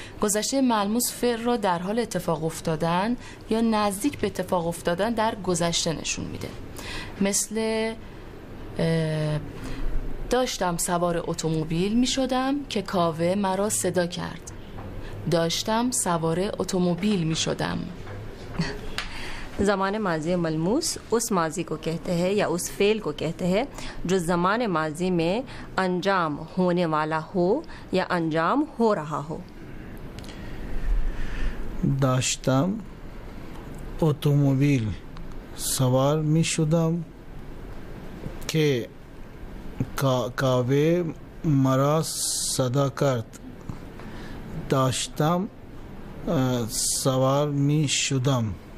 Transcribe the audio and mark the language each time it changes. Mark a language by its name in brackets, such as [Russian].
[Persian] گذشته ملموس فعل را در حال اتفاق افتادن یا نزدیک به اتفاق افتادن در گذشته نشون میده. مثل داشتم سوار اتومبیل میشدم که کاوه مرا صدا کرد. داشتم سوار اتومبیل میشدم. [Urdu] زمان ماضی ملموس اس ماضی کو کہتے ہیں یا اس فعل کو کہتے ہیں جو زمان ماضی میں انجام ہونے والا ہو یا انجام ہو رہا ہو. [Persian] داشتم اتوموبیل سوار می شدم کہ کاوے مرا صدا کرد. داشتم سوار می شدم.